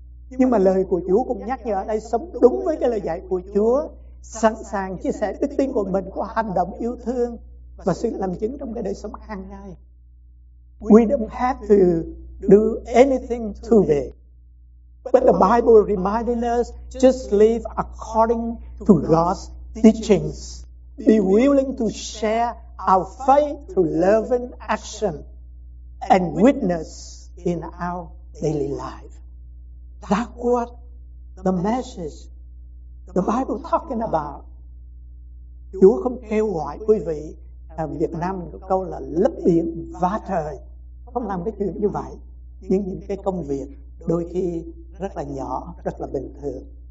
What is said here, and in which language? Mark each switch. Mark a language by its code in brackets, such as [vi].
[vi] Nhưng mà lời của Chúa cũng nhắc nhở ở đây sống đúng với cái lời dạy của Chúa, sẵn sàng chia sẻ đức tin của mình qua hành động yêu thương và sự làm chứng trong cái đời sống hàng ngày. [en] We don't have to do anything too big, but the Bible reminding us just live according to God's teachings. Be willing to share our faith through loving action and witness in our daily life. That's what the message the Bible talking about. [vi] Chúa không kêu gọi quý vị ở Việt Nam có câu là lấp biển vá trời, không làm cái chuyện như vậy. Nhưng những cái công việc đôi khi rất là nhỏ, rất là bình thường.